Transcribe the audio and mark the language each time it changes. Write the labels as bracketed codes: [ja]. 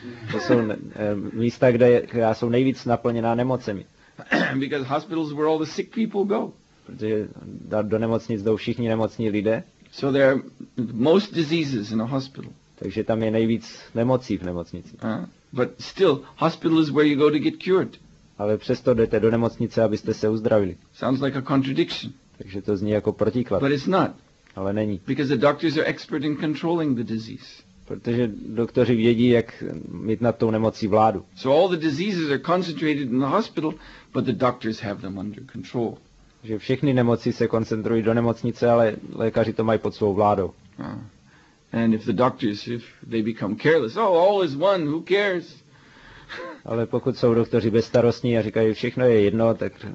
[cs] To jsou místa, která jsou nejvíc naplněná nemocemi. [en] Because hospitals where all the sick people go. [cs] Protože do nemocnic jdou všichni nemocní lidé. [en] So there are most diseases in a hospital. [cs] Takže tam je nejvíc nemocí v nemocnici. [en] But still, hospital is where you go to get cured. [cs] Ale přesto jdete do nemocnice, abyste se uzdravili. [en] Sounds like a contradiction. [cs] Takže to zní jako protiklad. [en] But it's not. [cs] Ale není. [en] Because the doctors are expert in controlling the disease. [cs] Protože doktoři vědí, jak mít nad tou nemocí vládu. [en] So all the diseases are concentrated in the hospital, but the doctors have them under control. [cs] Že všechny nemoci se koncentrují do nemocnice, ale lékaři to mají pod svou vládou. [en] And if the doctors, if they become careless, oh, all is one, who cares? [cs] Ale pokud jsou doktoři bezstarostní a říkají, všechno je jedno, tak